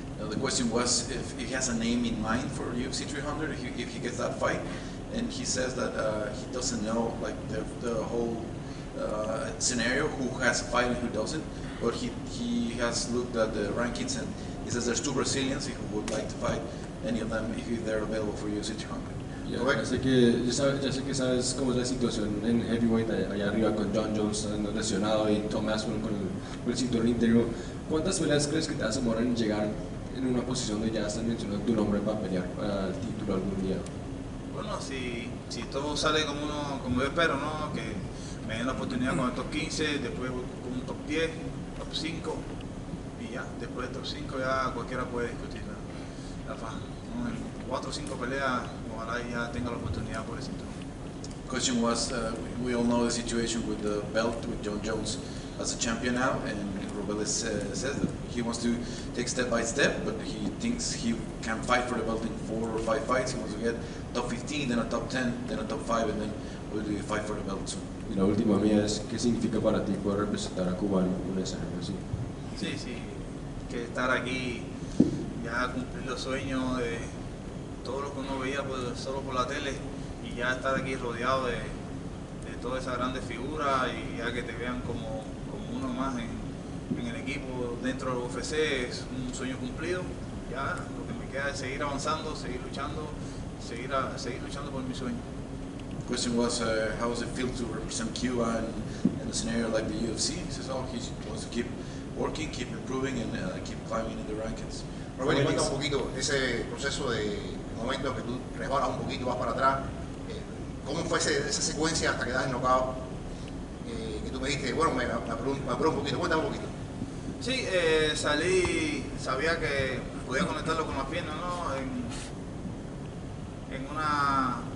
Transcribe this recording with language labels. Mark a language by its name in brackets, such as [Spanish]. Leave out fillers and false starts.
[English] The question was if he has a name in mind for UFC 300, if he gets that fight, and he says that he doesn't know like the whole scenario, who has a fight and who doesn't, but he has looked at the rankings and he says there's two Brazilians who would like to fight any of them if they're available for UFC 300. [Spanish] Ya sé que sabes cómo es la situación en heavyweight allá arriba con John Jones lesionado y Tom Aspen con el cinturón interino. ¿Cuántas peleas crees que te vas a morir en llegar en una posición de ya estás mencionando tu nombre para pelear el título algún día? Bueno, si todo sale como yo espero, ¿no? Que me den la oportunidad con el top 15, después con un top 10, top 5, y ya, después del top 5 ya cualquiera puede discutir la faja. En 4 o 5 peleas, ojalá ya tenga la oportunidad por el cinturón. [English] The question was, we all know the situation with the belt, with John Jones as a champion now, and Robles says that he wants to take step by step, but he thinks he can fight for the belt in 4 or 5 fights. He wants to get top 15, then a top 10, then a top 5, and then we'll fight for the belt soon. [Spanish] Y la última mía es, ¿qué significa para ti poder representar a Cuba en un escenario así? Sí, que estar aquí, ya cumplir los sueños de todo lo que uno veía solo por la tele, y ya estar aquí rodeado de toda esa grande figura, y ya que te vean como uno más en el equipo, dentro de UFC, es un sueño cumplido. Ya lo que me queda es seguir avanzando, seguir luchando por mi sueño. [English] The question was, how does it feel to represent Cuba in a scenario like the UFC? He says, oh, he wants to keep working, keep improving, and keep climbing in the rankings. [Spanish] Robert, cuenta un poquito ese proceso de momento que tú resbalas un poquito, vas para atrás. ¿Cómo fue esa secuencia hasta que das el knockout? Que tú me dijiste, bueno, me apuró un poquito. Cuéntame un poquito. Sí, salí, sabía que podía conectarlo con las piernas, ¿no? En una...